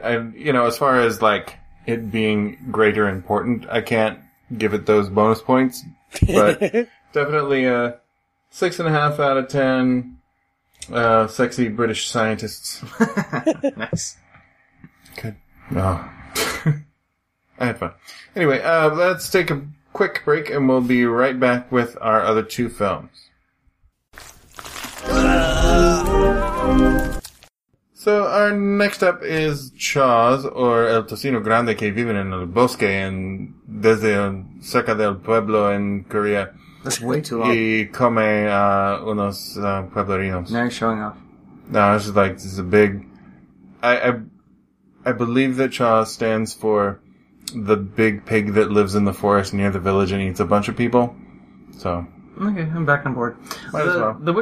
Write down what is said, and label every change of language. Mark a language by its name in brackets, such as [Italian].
[English] And, you know, as far as like it being greater important, I can't give it those bonus points, but definitely a 6.5 out of 10, sexy British scientists. Nice. Good. Oh. I had fun. Anyway, let's take a quick break, and we'll be right back with our other two films. So our next up is Chaz, or [Spanish] El Tocino Grande que viven en el bosque en desde cerca del pueblo en Korea. [English] That's way too long. [Spanish] Y come unos pueblerinos. [English] Now you're showing off. No, it's just like, this is a big... I believe that Chaz stands for the big pig that lives in the forest near the village and eats a bunch of people. So... Okay, I'm back on board. Might as well. The